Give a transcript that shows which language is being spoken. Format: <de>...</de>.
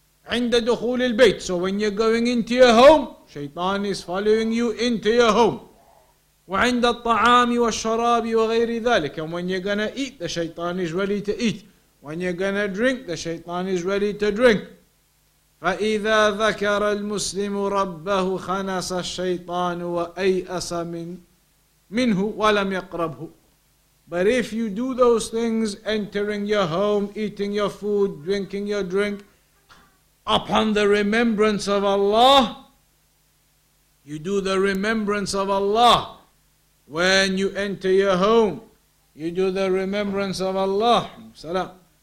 <ar>عِنْدَ دُخُولِ الْبَيْتِ,</ar> <en>so when you're going into your home, shaitan is following you into your home.</en> <ar>وعند الطعام والشراب وغير ذلك,</ar> <en>and when you're gonna eat, the shaitan is ready to eat. When you're gonna drink, the shaitan is ready to drink.</en> <ar>فإذا ذكر المسلم ربه خنس الشيطان وأيأس منه ولم يقربه.</ar> <en>But if you do those things, entering your home, eating your food, drinking your drink, upon the remembrance of Allah, you do the remembrance of Allah. When you enter your home, you do the remembrance of Allah. Salam.</en>